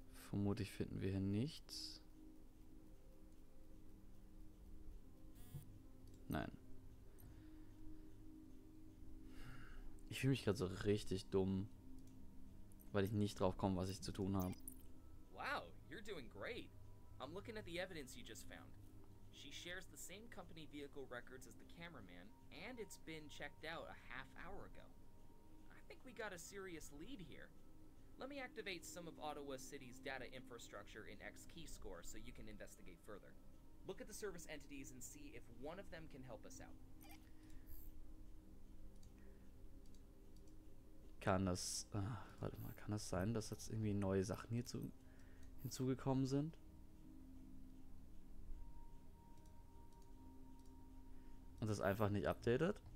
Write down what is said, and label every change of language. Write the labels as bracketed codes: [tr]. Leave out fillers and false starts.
[de] Vermutlich finden wir hier nichts. Nein. Ich fühle mich gerade so richtig dumm, weil ich nicht drauf komme, was ich zu tun habe. [en] Wow, you're doing great. I'm looking at the evidence you just found. She shares the same company vehicle records as the cameraman, and it's been checked out a half hour ago. I think we got a serious lead here. Let me activate some of Ottawa City's data infrastructure in X-Keyscore so you can investigate further. Look at the service entities and see if one of them can help us out. [de] Kann das, warte mal, kann das sein, dass jetzt irgendwie neue Sachen hierzu hinzugekommen sind? Und das einfach nicht updated?